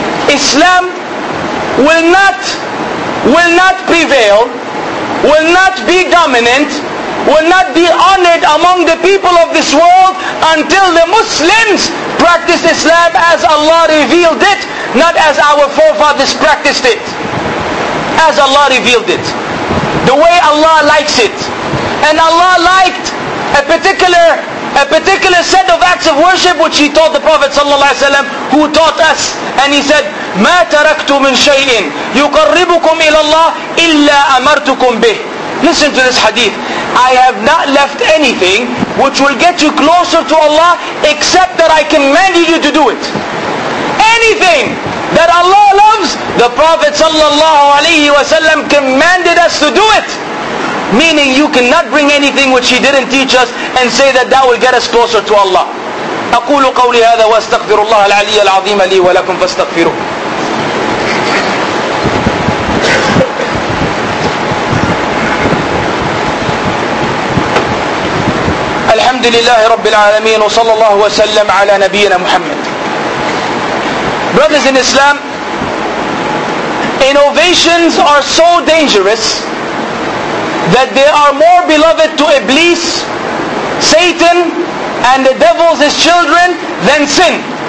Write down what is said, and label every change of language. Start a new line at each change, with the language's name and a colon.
English: Islam will not prevail, will not be dominant, will not be honored among the people of this world until the Muslims practice Islam as Allah revealed it, not as our forefathers practiced it. As Allah revealed it. The way Allah likes it. And Allah liked a particular set of acts of worship which He taught the Prophet ﷺ, who taught us. And He said,
Arabic: مَا تَرَكْتُ مِنْ شَيْءٍ يُقَرِّبُكُمْ إِلَى اللَّهِ إِلَّا أَمَرْتُكُمْ بِهِ.
English: Listen to this hadith. I have not left anything which will get you closer to Allah except that I commanded you to do it. Anything that Allah loves, the Prophet ﷺ commanded us to do it. Meaning you cannot bring anything which He didn't teach us and say that will get us closer to Allah.
Arabic: أقول قولي هذا وأستغفر الله العلي العظيم لي ولكم فاستغفروه. الحمد لله رب العالمين وصلى الله وسلم على نبينا محمد.
English: Brothers in Islam, innovations are so dangerous that they are more beloved to Iblis, Satan, and the devils, his children, than sin.